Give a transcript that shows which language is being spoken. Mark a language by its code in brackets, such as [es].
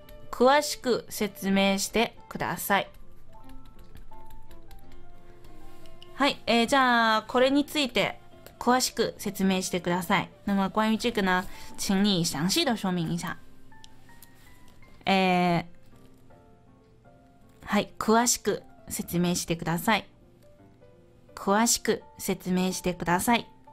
[ja] 詳しく説明してください。はい、じゃあこれについて詳しく説明してください。 [zh] 那么关于这个呢，请你详细的说明一下。 [ja] はい、詳しく説明してください。詳しく説明してください。